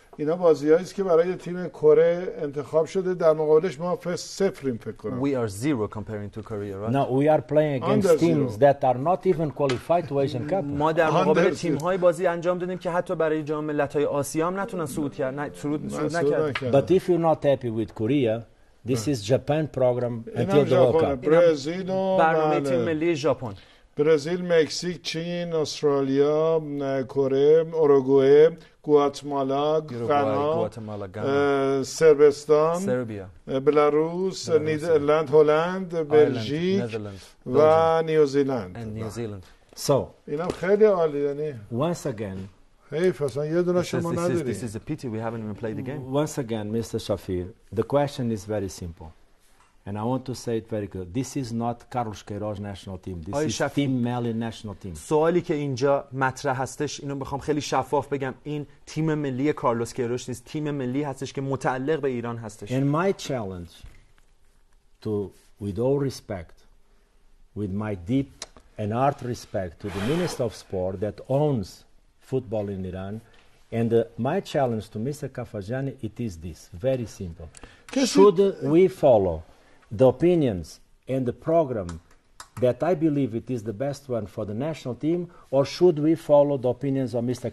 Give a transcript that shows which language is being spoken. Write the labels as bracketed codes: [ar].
[fa] اینا بازیایی است که برای تیم کره انتخاب شده. در مقابلش ما صفریم فکر کنم. [en] We are zero comparing to Korea, right? No, we are playing against Under teams zero. That are not even qualified to Asian Cup. [fa] ما در مقابل تیم‌های بازی انجام دادیم که حتی برای جام ملت‌های آسیا هم نتونن صعود کنن. صعود نکردن. [en] But if you're not happy with Korea, this is Japan program until the World Cup. [fa] برزیل و برنامه تیم ملی ژاپن. برزیل، مکزیک، چین، استرالیا، کره، اوروگوئه، گواتمالا، غانا، سربستان، بلاروس، نیدرلند، هلند، بلژیک و نیوزیلند. اینم خیلی عالی. یعنی [en] once again this is a pity we haven't even played the game. Once again, Mr. Shafir, the question is very simple. And I want to say it very good. This is not Carlos Queiroz national team. This is Team Mali national team. [fa] سوالی که اینجا مطرح هستش، اینو میخوام خیلی شفاف بگم، این تیم ملی کارلوس کیروش نیست، تیم ملی هستش که متعلق به ایران هستش. [en] And my challenge to, with all respect, with my deep and heart respect to the Minister of Sport that owns football in Iran, and my challenge to Mr. Kafajani, it is this, very simple. Should we follow the opinions and the program that I believe it is the best one for the national team, or should we follow the opinions of Mr.